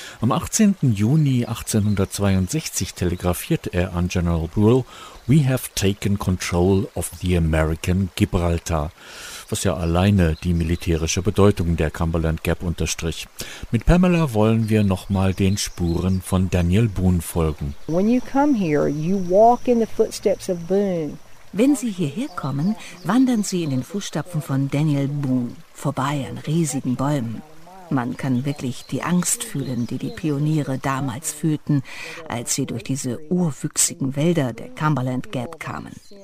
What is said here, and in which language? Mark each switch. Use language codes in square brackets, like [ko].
[de] Am 18. Juni 1862 telegrafiert er an General Buell, [en] "We have taken control of the American Gibraltar." [de] Was ja alleine die militärische Bedeutung der Cumberland Gap unterstrich. Mit Pamela wollen wir nochmal den Spuren von Daniel Boone folgen. [en] When you come here, you walk in the footsteps of Boone. [de] Wenn Sie hierher kommen, wandern Sie in den Fußstapfen von Daniel Boone, vorbei an riesigen Bäumen. Man kann wirklich die Angst fühlen, die die Pioniere damals fühlten, als sie durch diese urwüchsigen Wälder der Cumberland Gap kamen.